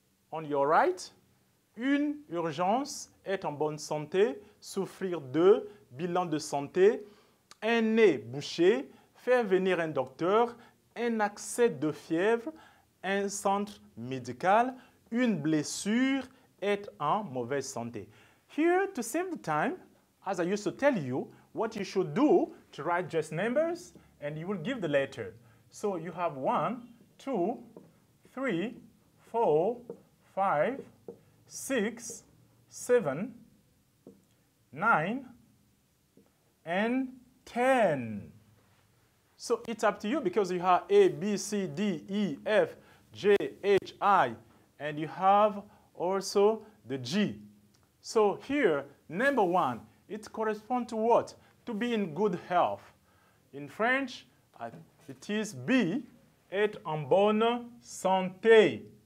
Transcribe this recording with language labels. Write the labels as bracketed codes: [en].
[en] On your right, [fr] une urgence est en bonne santé, souffrir de bilan de santé, un nez bouché, faire venir un docteur, un accès de fièvre, un centre médical, une blessure, être en mauvaise santé. [en] Here, to save the time, as I used to tell you, what you should do to write just numbers, and you will give the letter. So you have 1, 2, 3, 4, 5, 6, 7, 9, and 10. So it's up to you because you have A, B, C, D, E, F, J, H, I, and you have also the G. So here, number one, it corresponds to what? To be in good health. In French, it is B, [fr] être en bonne santé.